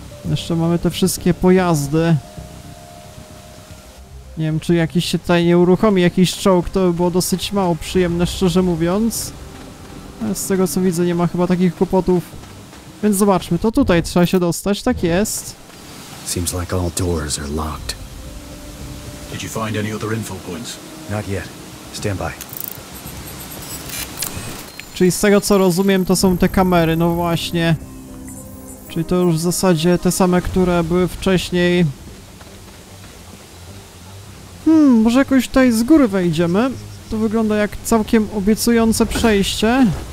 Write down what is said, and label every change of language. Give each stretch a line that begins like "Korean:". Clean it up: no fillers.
Polish: Jeszcze mamy te wszystkie pojazdy. Nie wiem, czy jakiś się tutaj nie uruchomi jakiś czołg, to by było dosyć mało przyjemne, szczerze mówiąc. Ale z tego co widzę, nie ma chyba takich kłopotów. Więc zobaczmy, to tutaj trzeba się dostać, tak jest.
English: Seems like all doors are locked. Did you find any other info points? Not yet. Stand by.
Polish: Czyli z tego co rozumiem, to są te kamery, no właśnie. Czyli to już w zasadzie te same, które były wcześniej. Może jakoś tutaj z góry wejdziemy. To wygląda jak całkiem obiecujące przejście.